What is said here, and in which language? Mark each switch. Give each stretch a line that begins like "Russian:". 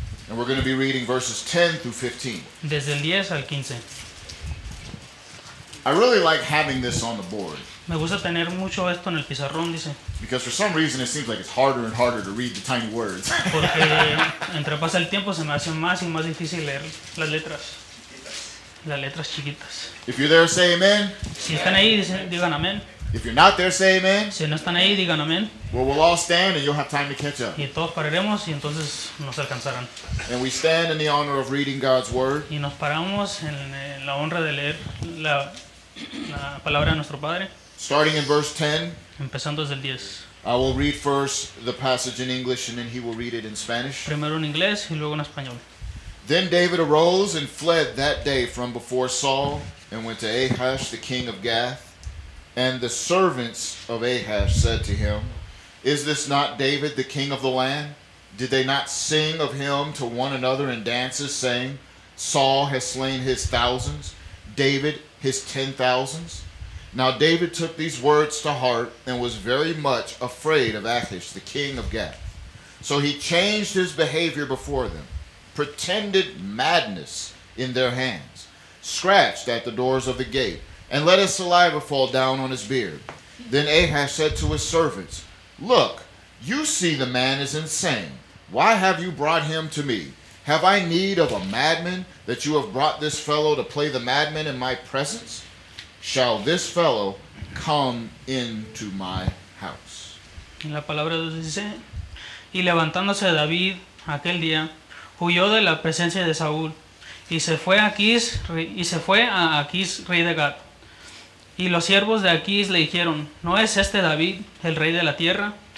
English: And we're going to be reading verses 10 through 15.
Spanish: Desde el 10 al 15.
English: I really like having this on the board.
Spanish: Me gusta tener mucho esto en el pizarrón, dice.
English: Because for some reason it seems like it's harder and harder to read the tiny words.
Spanish: Porque entre pasa el tiempo se me hace más y más difícil leer las letras. Las letras chiquitas.
English: If you're there, say amen.
Spanish: Si están ahí, digan amén.
English: If you're not there, say amen.
Spanish: Si no están ahí, digan amén.
English: Well, we'll all stand and you'll have time to catch up.
Spanish: Y todos pararemos y entonces nos alcanzarán.
English: And we stand in the honor of reading God's word.
Spanish: Y nos paramos en la honra de leer la, la palabra de nuestro Padre.
English: Starting in verse 10.
Spanish: Empezando desde el 10.
English: I will read first the passage in English and then he will read it in Spanish.
Spanish: Primero en inglés y luego en español.
English: Then David arose and fled that day from before Saul, and went to Ahash, the king of Gath. And the servants of Ahash said to him, "Is this not David, the king of the land? Did they not sing of him to one another in dances, saying, 'Saul has slain his thousands, David his 10,000s?'" Now David took these words to heart and was very much afraid of Achish, the king of Gath. So he changed his behavior before them, pretended madness in their hands, scratched at the doors of the gate, and let his saliva fall down on his beard. Then Ahash said to his servants, "Look, you see the man is insane. Why have you brought him to me? Have I need of a madman that you have brought this fellow to play the madman in my presence? Shall this fellow come into my house?"
Spanish: En la palabra de Dios dice, y levantándose David aquel día, huyó de la presencia de Saúl, y se fue a Aquis, rey de Gat. Y los siervos de Aquis le dijeron, "¿No es este David, el rey de la tierra?